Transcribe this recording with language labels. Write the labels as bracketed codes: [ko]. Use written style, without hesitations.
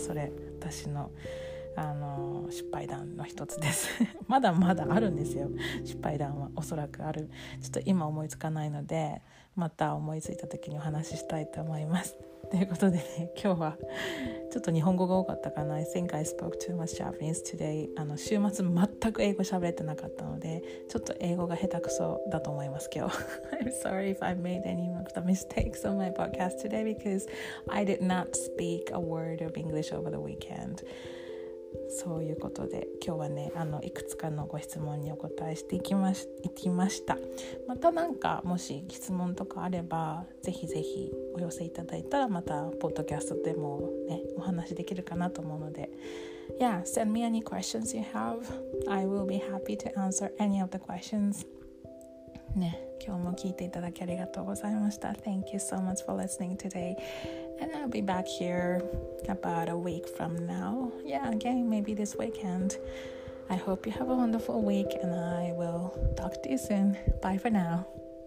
[ja] それ私の失敗談の一つですまだまだあるんですよ、失敗談は。おそらくある、ちょっと今思いつかないので、また思いついた時にお話ししたいと思います。ということでね、今日はちょっと日本語が多かったかな。 [en] I think I spoke too much Japanese today. [ja] 週末全く英語喋れてなかったので、ちょっと英語が下手くそだと思います今日。 [en] I'm sorry if I made any of the mistakes on my podcast today because I did not speak a word of English over the weekend. [ja] そういうことで今日はね、いくつかのご質問にお答えしていきました。またなんかもし質問とかあればぜひぜひお寄せいただいたら、またポッドキャストでもねお話できるかなと思うので、 [en] Yeah, send me any questions you have. I will be happy to answer any of the questions. [ja] ね、今日も聞いていただきありがとうございました。 [en] Thank you so much for listening today. And I'll be back here about a week from now. Yeah, again, maybe this weekend. I hope you have a wonderful week and I will talk to you soon. Bye for now.